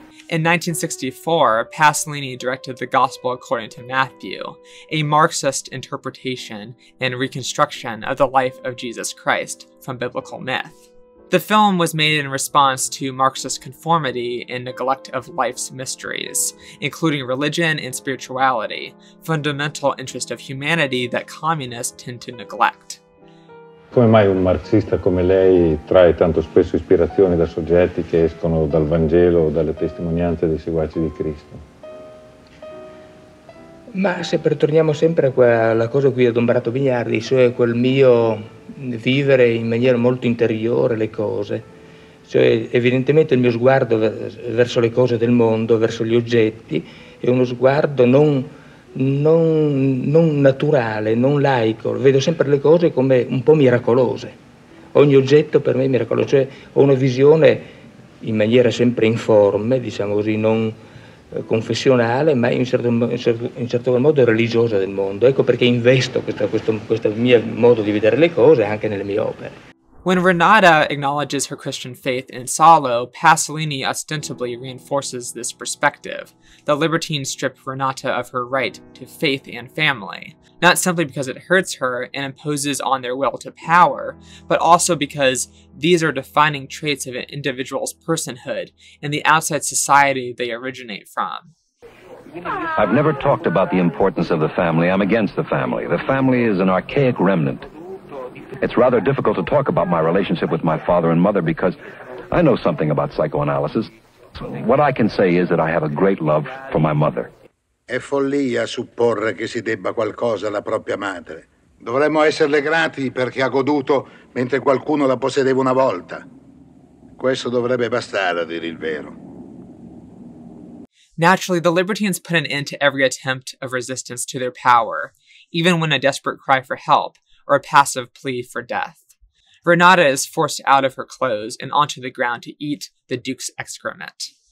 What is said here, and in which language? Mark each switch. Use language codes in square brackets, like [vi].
[en] In 1964, Pasolini directed The Gospel According to Matthew, a Marxist interpretation and reconstruction of the life of Jesus Christ from biblical myth. The film was made in response to Marxist conformity and neglect of life's mysteries, including religion and spirituality, fundamental interests of humanity that communists tend to neglect. [it] Come mai un marxista come lei trae tanto spesso ispirazione da soggetti che escono dal Vangelo o dalle testimonianze dei seguaci di Cristo? Ma se torniamo sempre a quella cosa qui adombrato Vignardi, cioè quel mio vivere in maniera molto interiore le cose, cioè evidentemente il mio sguardo verso le cose del mondo, verso gli oggetti, è uno sguardo non naturale, non laico, vedo sempre le cose come un po' miracolose, ogni oggetto per me è miracoloso, cioè ho una visione in maniera sempre informe, diciamo così, non confessionale, ma in certo modo religiosa del mondo. Ecco perché investo questo mio modo di vedere le cose anche nelle mie opere. [en] When Renata acknowledges her Christian faith in Salò, Pasolini ostensibly reinforces this perspective. The libertines strip Renata of her right to faith and family, not simply because it hurts her and imposes on their will to power, but also because these are defining traits of an individual's personhood and the outside society they originate from. I've never talked about the importance of the family. I'm against the family. The family is an archaic remnant. It's rather difficult to talk about my relationship with my father and mother because I know something about psychoanalysis. What I can say is that I have a great love for my mother. [it] È follia supporre che si debba qualcosa alla propria madre. Dovremmo esserle grati perché ha goduto mentre qualcuno la possedeva una volta. Questo dovrebbe bastare a dire il vero. [en] Naturally, the libertines put an end to every attempt of resistance to their power, even when a desperate cry for help or a passive plea for death. Renata is forced out of her clothes and onto the ground to eat the Duke's excrement.